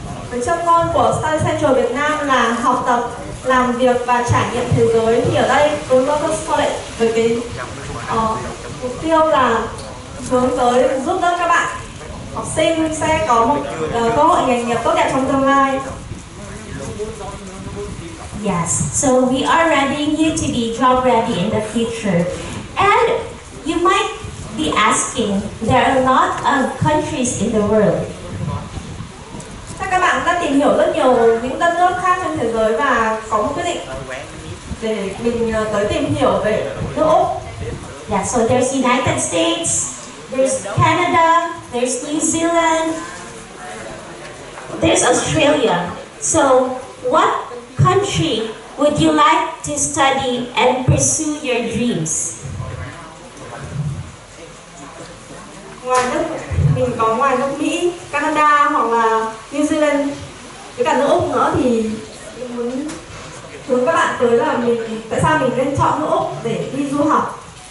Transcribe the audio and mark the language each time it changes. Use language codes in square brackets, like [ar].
[vi] Với trong ngôn của Study Central Việt Nam là học tập, làm việc và trải nghiệm thế giới, thì ở đây Blue Lotus College với cái mục tiêu là hướng tới giúp đỡ các bạn học sinh sẽ có một cơ hội nghề nghiệp tốt đẹp trong tương lai. [en] Yes, so we are readying you to be job ready in the future. And you might be asking, there are a lot of countries in the world. [vi] Các bạn đang tìm hiểu rất nhiều những đất nước khác trên thế giới và có một quyết định để mình tới tìm hiểu về nước Úc. [en] Yeah, so there's United States, there's Canada, there's New Zealand, there's Australia. So what country would you like to study and pursue your dreams? [vi] Ngoài nước, mình có ngoài nước Mỹ, Canada hoặc là New Zealand, với cả nước Úc nữa thì mình muốn hướng các bạn tới là mình tại sao mình nên chọn nước Úc để đi du học.